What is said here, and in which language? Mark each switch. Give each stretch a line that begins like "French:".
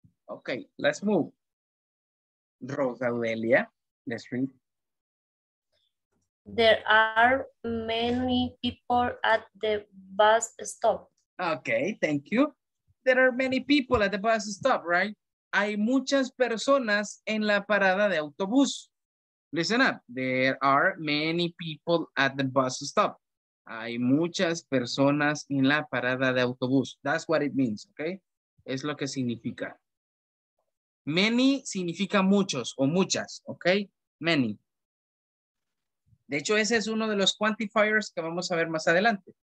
English: Okay, let's move. Rosa Odelia, let's read. There are many people at the bus stop. Okay, thank you. There are many people at the bus stop, right?
Spanish: Hay muchas personas en la parada de autobús.
English: Listen up. There are many people at the bus stop.
Spanish: Hay muchas personas en la parada de autobús.
English: That's what it means, okay?
Spanish: Es lo que significa. Many significa muchos o muchas, okay? Many. De hecho, ese es uno de los quantifiers que vamos a ver más adelante.